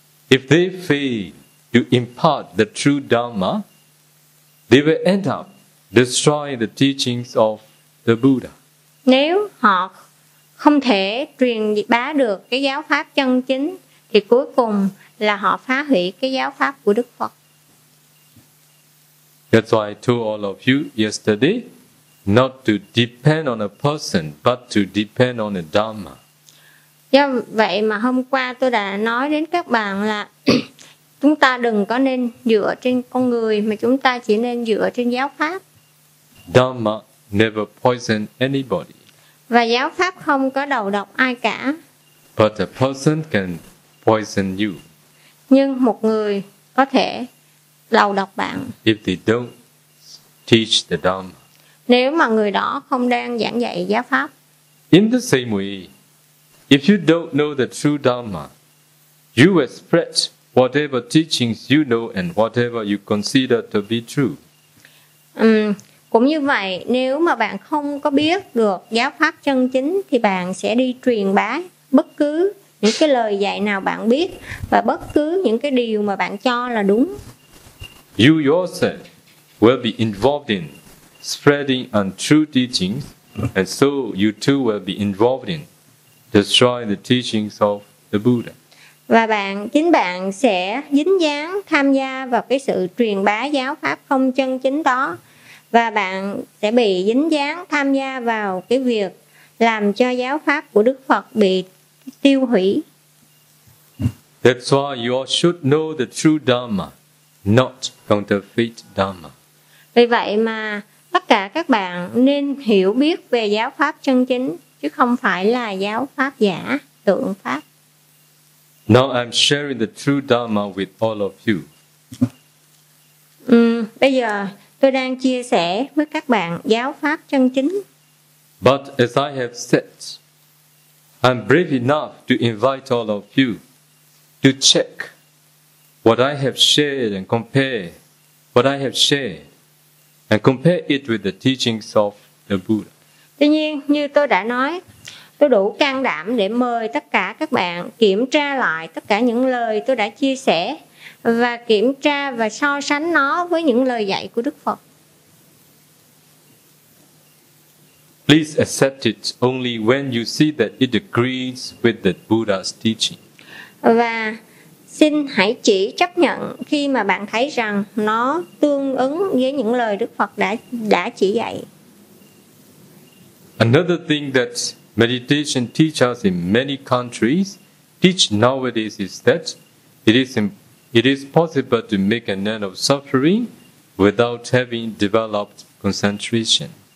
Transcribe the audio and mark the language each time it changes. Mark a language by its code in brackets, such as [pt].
[en] If they fail to impart the true Dhamma, they will end up destroying the teachings of the Buddha. [vi] Nếu họ không thể truyền bá được cái giáo pháp chân chính, thì cuối cùng là họ phá hủy cái giáo pháp của Đức Phật. [en] That's why I told all of you yesterday not to depend on a person, but to depend on a Dhamma. [vi] Do vậy mà hôm qua tôi đã nói đến các bạn là chúng ta đừng có nên dựa trên con người, mà chúng ta chỉ nên dựa trên giáo pháp. [en] Dhamma never poison anybody. [vi] Và giáo pháp không có đầu độc ai cả. [en] But a person can poison you. [vi] Nhưng một người có thể đầu độc bạn. [en] If they don't teach the Dhamma. [vi] Nếu mà người đó không đang giảng dạy giáo pháp. [en] In the same way, if you don't know the true Dhamma, you will spread whatever teachings you know and whatever you consider to be true. [vi] Cũng như vậy, nếu mà bạn không có biết được giáo pháp chân chính, thì bạn sẽ đi truyền bá bất cứ những cái lời dạy nào bạn biết và bất cứ những cái điều mà bạn cho là đúng. [en] You yourself will be involved in spreading untrue teachings, and so you too will be involved in destroying the teachings of the Buddha. [vi] Và bạn, chính bạn sẽ dính dáng tham gia vào cái sự truyền bá giáo pháp không chân chính đó, và bạn sẽ bị dính dáng tham gia vào cái việc làm cho giáo pháp của Đức Phật bị tiêu hủy. [en] That's why you all should know the true Dhamma, not counterfeit Dhamma. [vi] Vì vậy mà tất cả các bạn nên hiểu biết về giáo pháp chân chính, chứ không phải là giáo pháp giả, tượng pháp. [en] Now I'm sharing the true Dhamma with all of you. [vi] Bây giờ tôi đang chia sẻ với các bạn giáo pháp chân chính. [en] But as I have said, I'm brave enough to invite all of you to check what I have shared and compare what I have shared and compare it with the teachings of the Buddha. [vi] Tuy nhiên, như tôi đã nói, tôi đủ can đảm để mời tất cả các bạn kiểm tra lại tất cả những lời tôi đã chia sẻ và kiểm tra và so sánh nó với những lời dạy của Đức Phật. [en] Please accept it only when you see that it agrees with the Buddha's teaching. [vi] Và xin hãy chỉ chấp nhận khi mà bạn thấy rằng nó tương ứng với những lời Đức Phật đã chỉ dạy. [en] Another thing that meditation teaches in many countries teach nowadays is that it is possible to make an end of suffering without having developed concentration.